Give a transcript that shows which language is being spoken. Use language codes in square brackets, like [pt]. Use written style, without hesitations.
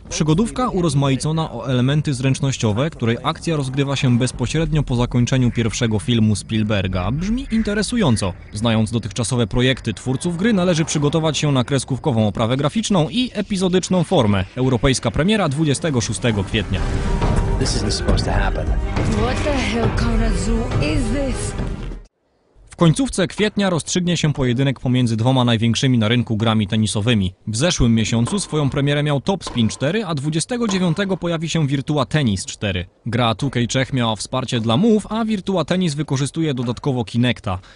[pl] Przygodówka urozmaicona o elementy zręcznościowe, której akcja rozgrywa się bezpośrednio po zakończeniu pierwszego filmu Spielberga, brzmi interesująco. Znając dotychczasowe projekty twórców gry, należy przygotować się na kreskówkową oprawę graficzną i epizodyczną formę. Europejska premiera 26 kwietnia. [en] This isn't supposed to happen. What the hell kind of zoo is this? [pl] W końcówce kwietnia rozstrzygnie się pojedynek pomiędzy dwoma największymi na rynku grami tenisowymi. W zeszłym miesiącu swoją premierę miał Top Spin 4, a 29 pojawi się Virtua Tennis 4. Gra 2K Czech miała wsparcie dla Move, a Virtua Tennis wykorzystuje dodatkowo Kinecta.